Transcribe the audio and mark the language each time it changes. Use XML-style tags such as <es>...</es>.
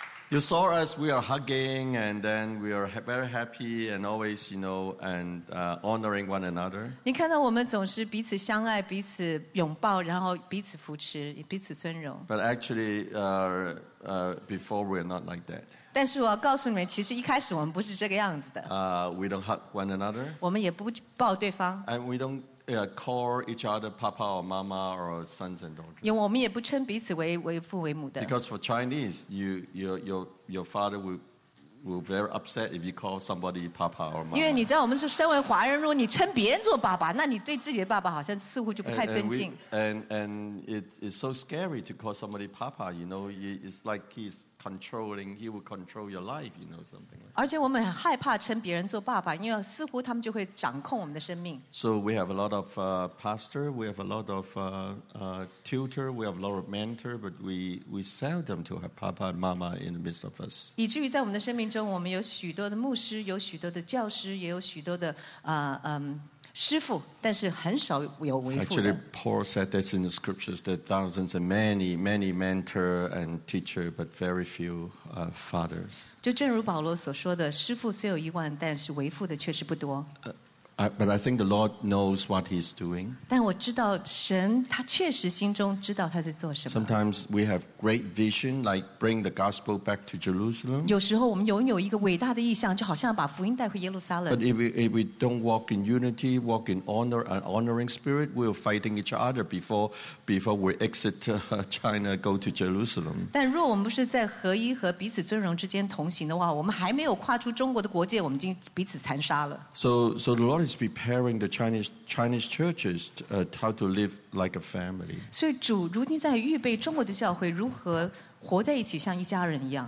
<en>You saw us, we are hugging, and then we are very happy, and always, you know, and honoring one another.</en> <zh>你看到我们总是彼此相爱，彼此拥抱，然后彼此扶持，彼此尊荣。</zh> <en>But actually, before we're not like that.</en> <zh>但是我要告诉你们，其实一开始我们不是这个样子的。</zh> <en>We don't hug one another.</en> <zh>我们也不抱对方。</zh> <en>And we don't call each other papa or mama or sons and daughters.</en> <zh>因为我们也不称彼此为父为母的。</zh> <en>Because for Chinese, your father will very upset if you call somebody papa or mama.</en> <zh>因为你知道我们是身为华人，如果你称别人做爸爸，那你对自己的爸爸好像似乎就不太尊敬。</zh> <en>And it is so scary to call somebody papa. You know, it's like he's controlling. He will control your life. You know something.</en> <zh>而且我们很害怕称别人做爸爸，因为似乎他们就会掌控我们的生命。</zh> <en>So we have a lot of pastor. We have a lot of tutor. We have a lot of mentor. But we seldom to have papa and mama in the midst of us.</en> <zh>以至于在我们的生命中，我们有许多的牧师，有许多的教师，也有许多的师父，但是很少有为父的。</zh> <en>Actually, Paul said this in the scriptures that thousands and many, many mentor and teacher, but very few fathers.</en> <zh>就正如保罗所说的，师父虽有一万，但是为父的却是不多。</zh> <en>But I think the Lord knows what He's doing.</en> <zh>但我知道神，他确实心中知道他在做什么。</zh> <en>Sometimes we have great vision, like bring the gospel back to Jerusalem.</en> <zh>有时候我们拥有一个伟大的意象，就好像把福音带回耶路撒冷。</zh> <en>But if we don't walk in unity, walk in honor and honoring spirit, we're fighting each other before we exit China, go to Jerusalem.</en> <zh>但若我们不是在合一和彼此尊荣之间同行的话，我们还没有跨出中国的国界，我们已经彼此残杀了。</zh> <en>So the Lord is preparing the Chinese churches how to live like a family.</en> <zh>所以主如今在预备中国的教会如何活在一起像一家人一样。</zh>